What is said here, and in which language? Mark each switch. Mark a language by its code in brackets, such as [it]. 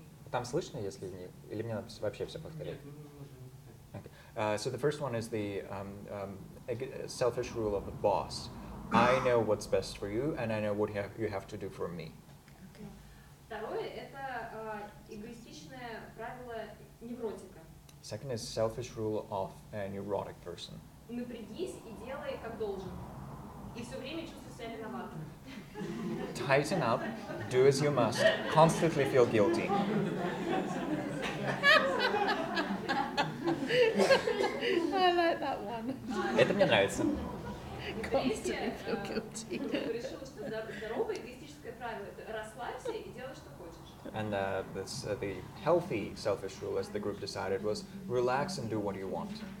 [ru] Там слышно, если не, или мне надо вообще все повторять? [en] Okay. So the first one is the selfish rule of the boss. I know what's best for you, and I know what you have to do for me. [ru] Второе — это эгоистичное правило невротика. [en] Second is selfish rule of a neurotic person. [ru] Напрягись и делай как должен. И все время чувствуй себя виноватым. [en] Tighten up, do as you must, constantly feel guilty. I like that one. [ru] Это мне нравится. [en] Constantly feel guilty. [ru] Здоровое эгоистическое правило — расслабься и делай, что хочешь. [en] And the healthy selfish rule, as the group decided, was relax and do what you want.